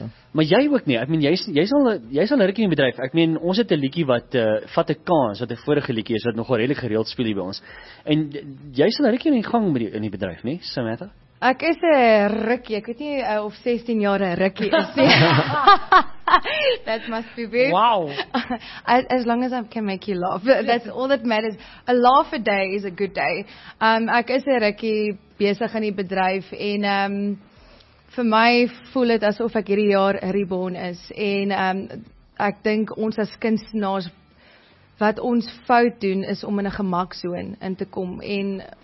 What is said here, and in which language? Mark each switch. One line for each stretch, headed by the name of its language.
Afrikaans: Maar jy ook nie. Ek meen jy's al 'n rukkie in die bedryf. Ek meen ons het 'n liedjie wat vat 'n kans, wat 'n vorige liedjie is wat nogal redelik gereeld speel by ons. En jy's al 'n rukkie in die gang met in die bedryf, nie? Samantha? Ek is 'n rukkie. Ek weet nie of 16 jaar 'n rukkie is nie.
English: That must be weird. Wow. As long as I can make you laugh, that's all that matters. A laugh a day is a good day.
Afrikaans: Ek is 'n rukkie besig in die bedryf en vir my voel dit asof ek hierdie jaar reborn is en ek dink ons as kunstenaars wat ons fout doen is om in 'n gemaksoon in te kom en